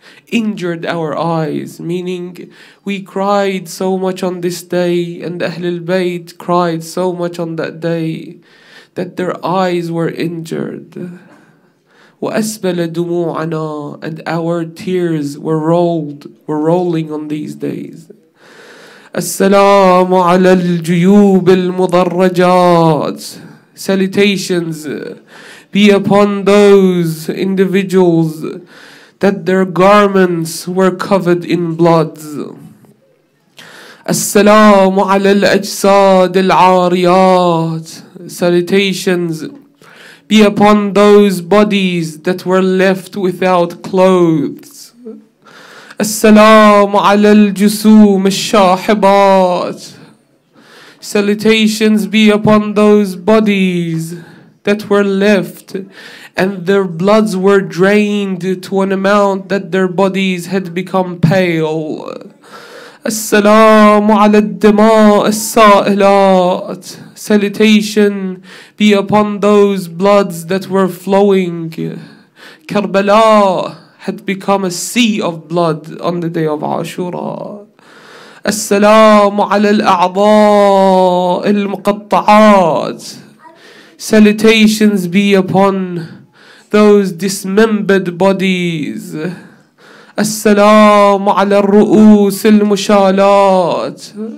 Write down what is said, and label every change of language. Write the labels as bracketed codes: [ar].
[en] injured our eyes, meaning we cried so much on this day, and Ahlul Bayt cried so much on that day that their eyes were injured. [ar] وَأَسْبَلَ دُمُوعَنَا, [en] and our tears were rolling on these days. [ar] السلام على الجيوب المضرجات. [en] Salutations be upon those individuals that their garments were covered in blood. [ar] السلام على الأجساد العاريات. [en] Salutations be upon those bodies that were left without clothes. [ar] السلام على الجسوم الشاحبات. [en] Salutations be upon those bodies that were left and their bloods were drained to an amount that their bodies had become pale. [ar] السلام على الدماء السائلات. [en] Salutation be upon those bloods that were flowing. Karbala had become a sea of blood on the day of Ashura. [ar] السلام على الأعضاء المقطعات. [en] Salutations be upon those dismembered bodies. [ar] السلام على الرؤوس المشالات.